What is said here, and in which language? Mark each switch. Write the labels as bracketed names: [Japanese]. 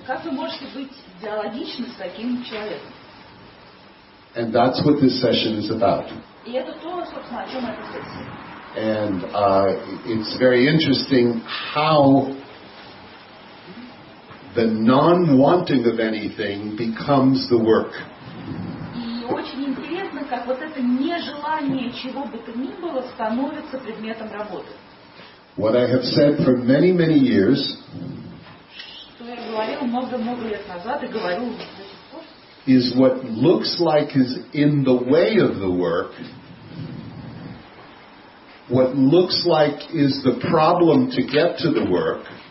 [Russian] Как вы можете быть диалогичны с таким человеком? [English] And that's what this session is about. [Russian] И это то, собственно, о чем эта сессия. [English] And it's very interesting how the non-wanting of anything becomes the work. [Russian] И очень интересно, как вот это нежелание чего бы то ни было становится предметом работы. [English] What I have said for many, many years, [Russian] что я говорил много-много лет назад и говорю до сих пор, [English] is what looks like is in the way of the work, what looks like is the problem to get to the work,